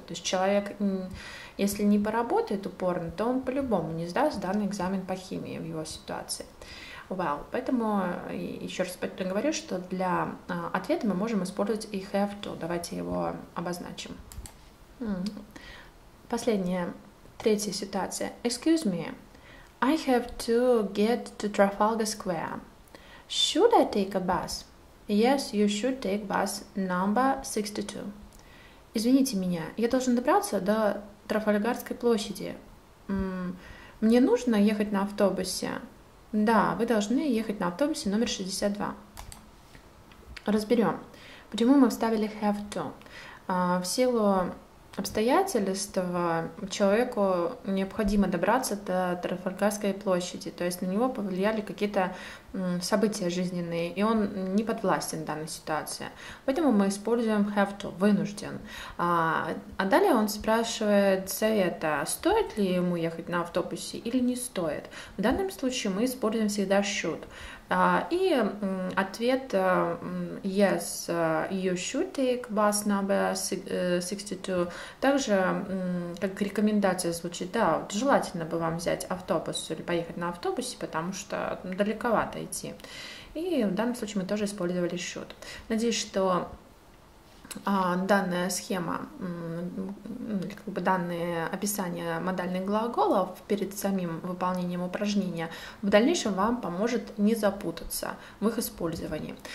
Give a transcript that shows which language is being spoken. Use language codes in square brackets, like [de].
[ru] То есть человек, если не поработает упорно, то он по-любому не сдаст данный экзамен по химии в его ситуации. Well, поэтому еще раз говорю, что для ответа мы можем использовать и have to. Давайте его обозначим. Последняя, третья ситуация. [en] Excuse me, I have to get to Trafalgar Square. Should I take a bus? Yes, you should take bus number 62. [ru] Извините меня, я должен добраться до Трафальгарской площади. Мне нужно ехать на автобусе? Да, вы должны ехать на автобусе номер 62. Разберем, почему мы вставили have to. В силу обстоятельств человеку необходимо добраться до Трафальгарской площади, то есть на него повлияли какие-то события жизненные, и он не подвластен данной ситуации. Поэтому мы используем have to, вынужден. А далее он спрашивает совета, стоит ли ему ехать на автобусе или не стоит. В данном случае мы используем всегда should. И ответ [en] yes, you should take bus number 62. [ru] Также как рекомендация звучит, да, вот желательно бы вам взять автобус или поехать на автобусе, потому что далековато идти. И в данном случае мы тоже использовали should. Надеюсь, что данная схема, как бы данные описания модальных глаголов перед самим выполнением упражнения в дальнейшем вам поможет не запутаться в их использовании.